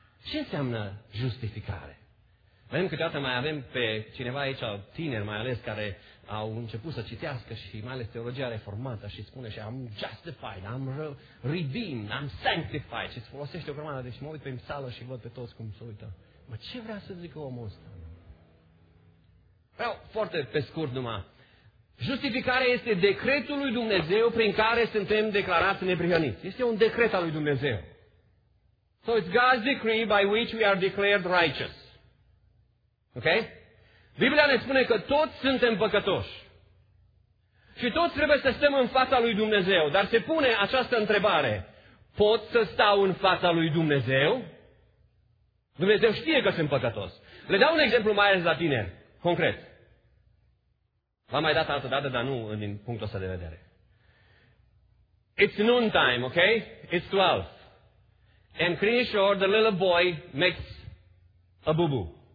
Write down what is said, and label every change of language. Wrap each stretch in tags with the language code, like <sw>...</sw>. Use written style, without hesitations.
<ro>Ce înseamnă justificare? Vedem câteodată mai avem pe cineva aici, tineri mai ales, care au început să citească și mai ales teologia reformată și spune și</ro> <en>am justified, am redeemed, am sanctified.</en> <ro>Și îți folosește o grămadă. Deci mă uit pe sală și văd pe toți cum se uită. Mă, ce vrea să zică omul ăsta? Vreau foarte pe scurt numai. Justificarea este decretul lui Dumnezeu prin care suntem declarați neprihăniți. Este un decret al lui Dumnezeu.</ro> <en>So it's God's decree by which we are declared righteous. Ok?</en> <ro>Biblia ne spune că toți suntem păcătoși. Și toți trebuie să stăm în fața lui Dumnezeu. Dar se pune această întrebare: pot să stau în fața lui Dumnezeu? Dumnezeu știe că sunt păcătos. Le dau un exemplu mai ales la tine, concret. V-am mai dat altă dată, dar nu din punctul ăsta de vedere.</ro> <en>It's noon time, ok? It's 12. And Krishor, the little boy, makes a boo-boo.</en>